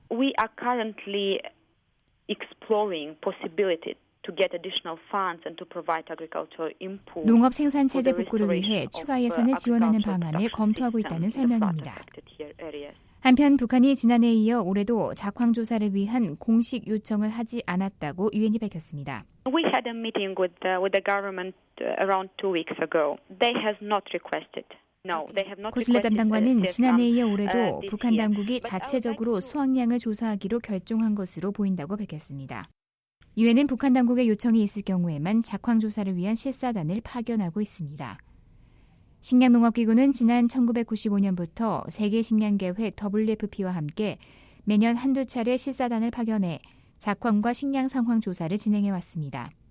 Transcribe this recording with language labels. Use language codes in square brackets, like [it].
[en] We are currently exploring possibility to get additional funds and to provide agricultural input. [ko] 농업 생산 체제 복구를 위해 추가 예산을 지원하는 방안을 검토하고 있다는 설명입니다. 한편 북한이 지난해에 이어 올해도 작황 조사를 위한 공식 요청을 하지 않았다고 유엔이 밝혔습니다. [en] We had a meeting with the government around 2 weeks ago. They have not requested. No, they have not. [ko] 코슬레 담당관은 지난해에 이어 올해도 북한 당국이 자체적으로 수확량을 조사하기로 결정한 것으로 보인다고 밝혔습니다. 유엔은 북한 당국의 요청이 있을 경우에만 작황 조사를 위한 실사단을 파견하고 있습니다. 식량농업기구는 지난 1995년부터 세계식량계획 WFP와 함께 매년 한두 차례 실사단을 파견해 작황과 식량 상황 조사를 진행해왔습니다.